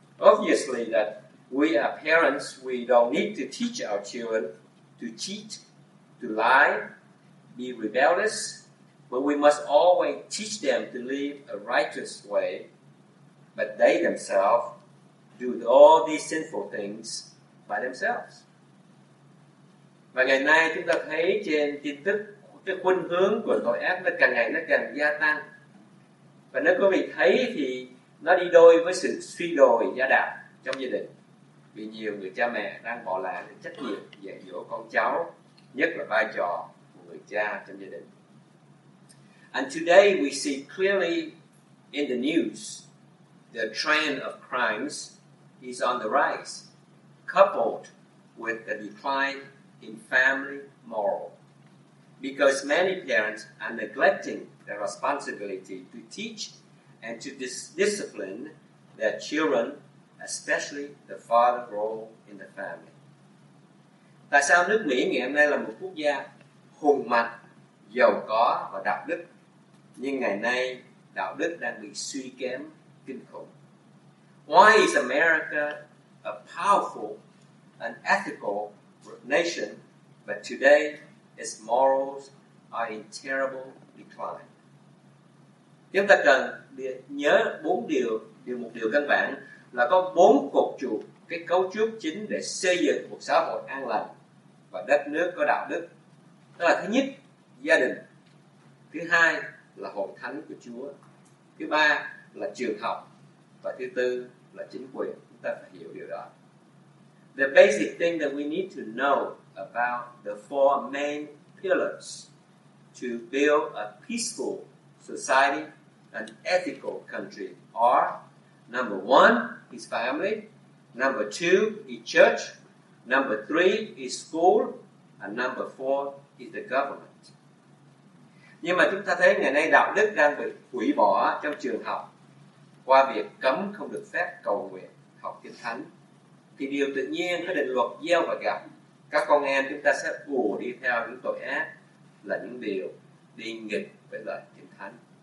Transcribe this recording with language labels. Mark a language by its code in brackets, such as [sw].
[en] Obviously that we are parents, we don't need to teach our children to cheat, to lie, be rebellious, but we must always teach them to live a righteous way, but they themselves do all these sinful things by themselves. [vi] Và ngày nay chúng ta thấy trên tin tức cái khuynh hướng của tội ác nó càng ngày nó càng gia tăng. Và nếu quý vị thấy thì nó đi đôi với sự suy đồi gia đạo trong gia đình. Vì nhiều người cha mẹ đang bỏ lại trách nhiệm dạy dỗ con cháu, nhất là vai trò của người cha trong gia đình. [en] And today we see clearly in the news the trend of crimes is on the rise, coupled with the decline in family moral, because many parents are neglecting their responsibility to teach and to discipline their children, especially the father role in the family. [vi] Tại sao nước Mỹ ngày hôm nay là một quốc gia hùng mạnh, giàu có và đạo đức, nhưng ngày nay đạo đức đang bị suy kém kinh khủng? [en] Why is America a powerful and ethical nation, but today its morals are in terrible decline? [vi] Chúng ta cần nhớ bốn điều. Điều một điều căn bản là có bốn cột trụ, cái cấu trúc chính để xây dựng một xã hội an lành và đất nước có đạo đức. Đó là thứ nhất, gia đình. Thứ hai là hội thánh của Chúa. Thứ ba là trường học. Và thứ tư là chính quyền. Chúng ta phải hiểu điều đó. [en] The basic thing that we need to know about the four main pillars to build a peaceful society, an ethical country, are: number one is family, number two is church, number three is school, and number four is the government. [vi] Nhưng mà chúng ta thấy ngày nay đạo đức đang bị hủy bỏ trong trường học qua việc cấm không được phép cầu nguyện, học kinh thánh. Thì điều tự nhiên có định luật gieo và gặp, các con em chúng ta sẽ ùa đi theo những tội ác, là những điều đi nghịch với lời kinh thánh.